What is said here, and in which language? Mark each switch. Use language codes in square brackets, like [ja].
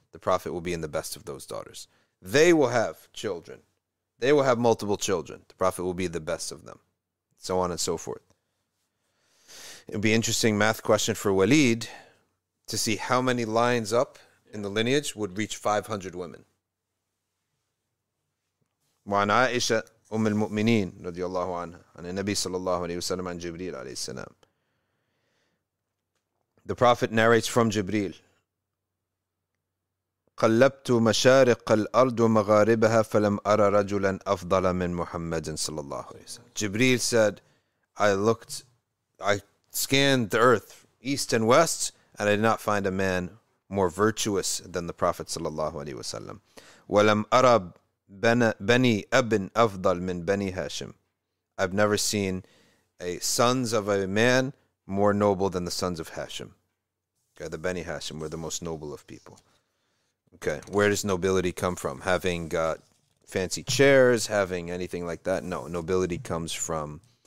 [en] The Prophet will be in the best of those daughters. They will have children. They will have multiple children. The Prophet will be the best of them. So on and so forth. It would be an interesting math question for Walid to see how many lines up in the lineage would reach 500 women. [ar] وعن عائشة أم المؤمنين رضي الله عنها عن النبي صلى الله عليه وسلم عن جبريل عليه السلام. [en] The Prophet narrates from Jibreel. [ar] قلبت مشارق الأرض ومغاربها فلم أرى رجلا أفضل من محمد صلى الله عليه وسلم. [en] Jibreel said, I scanned the earth east and west and I did not find a man more virtuous than the Prophet [ar] صلى الله عليه وسلم. ولم أرى بني أب أفضل من بني هاشم. [en] I've never seen a sons of a man more noble than the sons of Hashim. Okay, the Bani Hashim were the most noble of people. Okay, where does nobility come from? Having got fancy chairs, having anything like that? No, nobility comes from